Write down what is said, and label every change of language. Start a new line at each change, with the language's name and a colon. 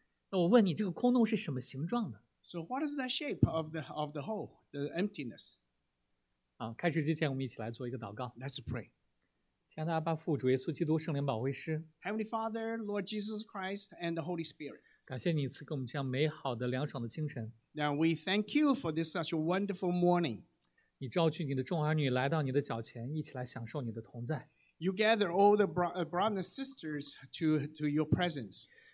Chinese: 那我问你，这个空洞是什么形状的？
English: So what is the shape of the hole, the emptiness?
Chinese: 好，开始之前我们一起来做一个祷告。
English: Let's pray.
Chinese: 天父，阿爸父，主耶稣基督，圣灵宝惠师。
English: Heavenly Father, Lord Jesus Christ, and the Holy Spirit.
Chinese: 感谢你赐给我们这样美好的凉爽的清晨。
English: Now we thank you for this such a wonderful morning.
Chinese: 你召聚你的众儿女来到你的脚前，一起来享受你的同在。
English: You gather all the brothers and sisters to your presence.